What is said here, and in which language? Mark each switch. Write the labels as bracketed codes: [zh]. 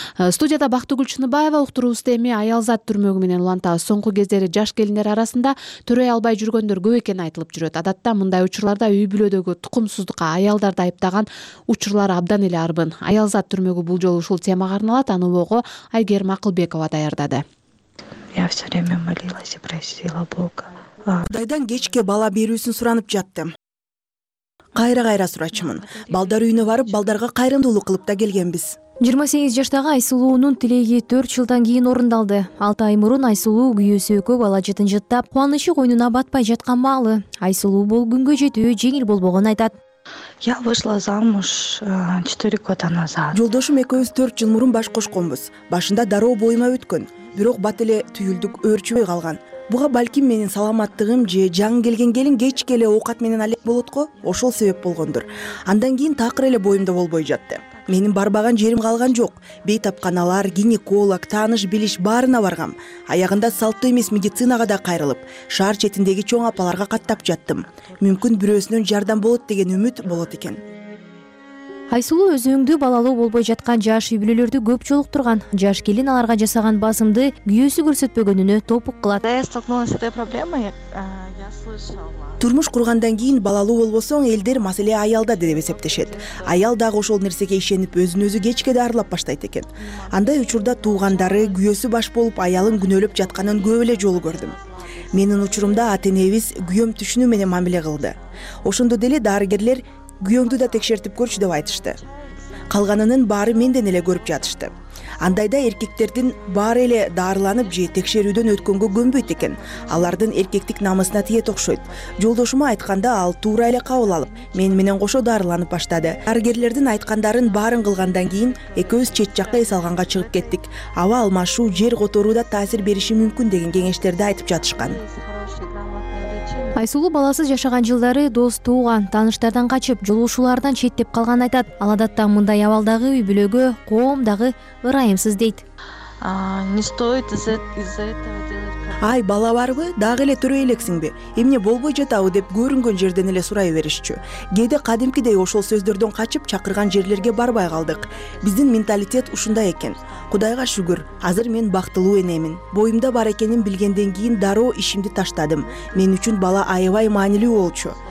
[ky] Студияда Бактыгүл Чыныбаева, уктуруубузду эми аялзат түрмөгү менен улантабыз. Соңку кездери жаш келиндер арасында төрөй албай жүргөндөр көп экени айтылып жүрөт. Адатта мындай учурларда үй бүлөдөгү тукумсуздукка аялдарды айыптаган учурлар абдан эле арбын. Аялзат түрмөгү бул жолу ушул темага арналат. Аны ого Айгерим Акылбекова даярдады. [ru] Я все время молилась и просила Бога. [ky] Кудайдан кечке бала берүүсүн суранып жаттым. Кайра-кайра сурачумун. Балдар үйүнө барып, балдарга кайрымдуулук кылып да келгенбиз. 28 жаштагы Айсулуунун тилеги 4 жылдан кийин орундалды. 6 ай мурун Айсулуу күйөөсү өкө бала жетин жыттап, кубанычы койнуна батпай жаткан маалы. Айсулуу бул күнгө жетүү жеңил болбогон айтат. [ru] Я вышла замуж 4 года назад. [ky] Жолдошум экөөбүз 4 жыл мурун баш кошконбуз. Башында дароо боюма өткөн, бирок бат эле түйүлдүк өөрчүбөй калган. Буга балким менин саламаттыгым же жаңы келген келин кеч келе оокат менен алек болотко ошол себеп болгондур. Андан кийин такыр эле боюмда болбой жатты. Менин барбаган жерим калган жок. Бейтапканалар, гинеколог, тааныш билиш баарына баргам. Аягында салттуу эмес медицинага да кайрылып, шаар четиндеги чоң апаларга каттап жаттым. Мүмкүн бирөөсүнөн жардам болот деген үмүт болот экен. Айсулуу өз өңдүү балалуу болбой жаткан жаш үй бүлөлөрдү көп жолуктурган. Жаш келин аларга жасаган басымды күйөөсү көрсөтпөгөнүнө топук кылат. [ru] Да я столкнулась с этой проблемой, я слышала. [ky] Турмуш кургандан кийин балалуу болбосоң элдер маселе аялда деп эсептешет. Аял дагы ошол нерсеге ишенип өзүн өзү кечке да арлап баштайт экен. Андай учурда туугандары күйөөсү баш болуп аялын күнөөлөп жатканын көп эле жолу көрдүм. Менин учурумда ата-энебиз күйөөм түшүнүү менен мамиле кылды. Ошондо деле дарыгерлер күйөөңдү да текшертип көрчү деп айтышты. Калганынын баары менден эле көрүп жатышты. Андайда эркектердин баары эле дарыланып же текшерүүдөн өткөнгө көнбөйт экен. Алардын эркектик намысына тиет окшойт. Жолдошума айтканда ал туура эле кабыл алып, мени менен кошо дарыланып баштады. Дарыгерлердин айткандарын баарын кылгандан кийин экөөбүз чет жакка эс алганга чыгып кеттик. Аба алмашуу, жер которуу да таасир бериши мүмкүн деген кеңештерди айтып жатышкан. Айсулуу баласыз жашаган жылдары дос, тууган, тааныштардан качып, жолугушуулардан четтеп калган айтат. Ал адатта мындай абалдагы үй бүлөгө коом дагы ырайымсыз дейт. [ru] Не стоит из-за этого делать. [ky] Ай, бала барбы? Дагы эле төрөй элексиңби? Эмне болбой жатабы деп көрүнгөн жерден эле сурай беришчү. Кээде кадимкидей ошол сөздөрдөн качып чакырган жерлерге барбай калдык. Биздин менталитет ушундай экен. Кудайга шүгүр, азыр мен бактылуу энемин. Боюмда бар экенин билгенден кийин дароо ишимди таштадым. Мен үчүн бала аябай маанилүү болчу.